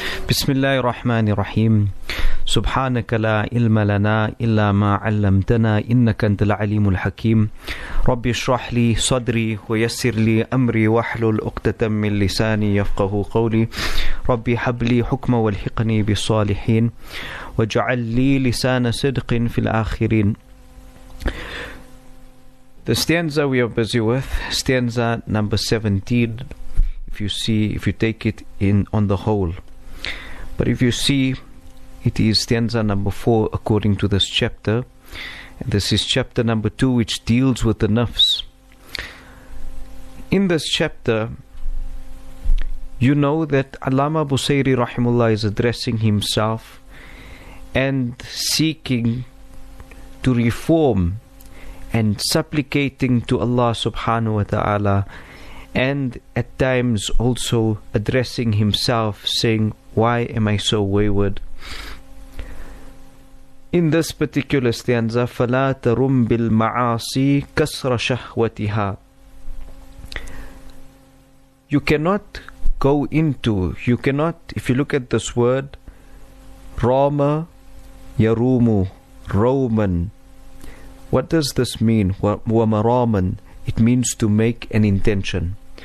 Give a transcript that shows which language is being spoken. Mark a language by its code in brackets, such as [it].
[ar] بسم الله الرحمن الرحيم سبحانك لا علم لنا إلا ما علمتنا إنك أنت العليم الحكيم ربي اشرح لي صدري ويسر لي أمري واحلل عقدة من لساني يفقه قولي ربي هب لي حكما والحقني بالصالحين واجعل لي لسان صدق في الآخرين. [en] The stanza we are busy with, stanza number 17, if you take it in on the whole. But if you see, it is stanza number 4 according to this chapter. This is chapter number 2, which deals with the nafs. In this chapter, you know that Allama Busayri rahimullah is addressing himself and seeking to reform and supplicating to Allah subhanahu wa ta'ala, and at times also addressing himself saying, why am I so wayward? In this particular stanza, [ar] فَلَا تَرُمْ بِالْمَعَاصِي كَسْرَ شَهْوَتِهَا. [en] You cannot go into, you cannot, if you look at this word, [ar] رَامَ يَرُومُ رَوْمًا. [en] What does this mean? [ar] وَمَرَامًا. [en] It means to make an intention.